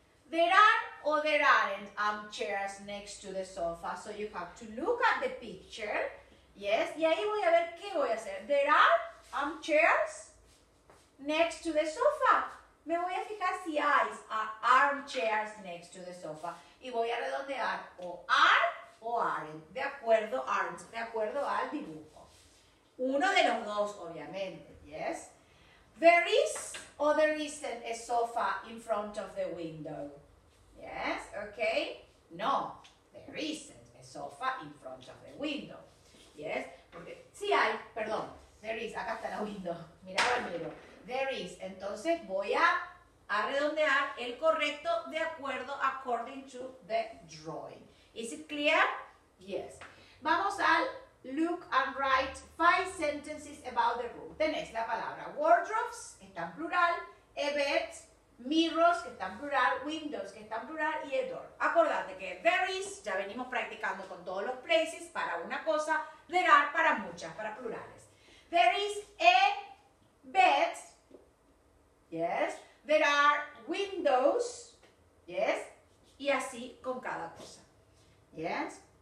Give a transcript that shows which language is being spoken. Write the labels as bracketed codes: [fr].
[en] There are or there aren't armchairs next to the sofa, so you have to look at the picture. [es] Yes, y ahí voy a ver qué voy a hacer. [en] There are armchairs next to the sofa. [es] Me voy a fijar si hay [en] armchairs next to the sofa. [es] Y voy a redondear o are o aren't, de acuerdo, aren't, de acuerdo al dibujo. Uno de los dos, obviamente, yes. [en] There is or there isn't a sofa in front of the window. Yes, okay. No, there isn't a sofa in front of the window. [es] Yes, porque sí hay, perdón, [en] there is, [es] acá está la window. Mirad el libro. [en] There is, [es] entonces voy a redondear el correcto de acuerdo, [en] according to the drawing. Is it clear? Yes. [es] Vamos al [en] look and write five sentences about the room. [es] Tenés la palabra wardrobes, que está en plural, a bed, mirrors, que está en plural, windows, que está en plural, y a door. Acordate que there is, ya venimos practicando con todos los places, para una cosa, there are, para muchas, para plurales. [en] There is a bed, yes, there are windows, yes, [es] y así con cada cosa, [en] yes.